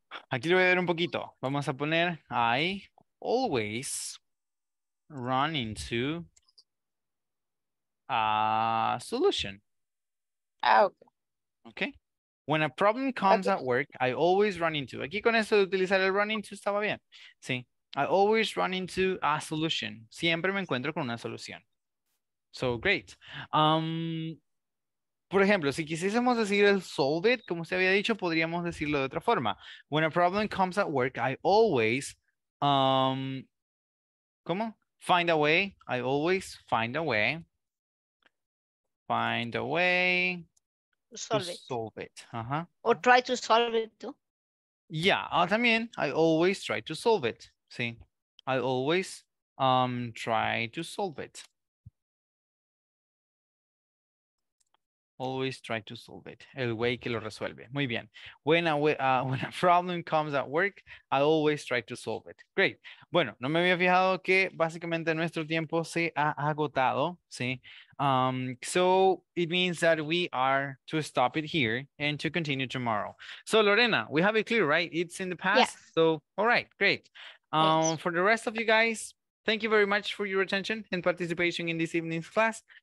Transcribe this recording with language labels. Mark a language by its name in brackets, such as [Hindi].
[Spanish] Aquí lo voy a ver un poquito. Vamos a poner, [English] I always run into a solution. Okay. Okay. When a problem comes at work, I always run into. [Spanish] Aquí con esto de utilizar el run into estaba bien. [English] Sí. I always run into a solution. [Spanish] Siempre me encuentro con una solución. [English] So, great. [Spanish] Por ejemplo, si quisiésemos decir el solve it, como usted había dicho, podríamos decirlo de otra forma. [English] When a problem comes at work, I always, ¿cómo? Find a way. I always find a way. Find a way to solve it. Uh-huh. Or try to solve it too. Yeah, también. I always try to solve it. Sí. I always try to solve it. Always try to solve it. [Spanish] El way que lo resuelve. Muy bien. [English] When a problem comes at work, I always try to solve it. Great. [Spanish] Bueno, no me había fijado que básicamente nuestro tiempo se ha agotado. Sí. [English] So it means that we are to stop it here and to continue tomorrow. So Lorena, we have it clear, right? It's in the past. Yes. So, all right. Great. For the rest of you guys, thank you very much for your attention and participation in this evening's class.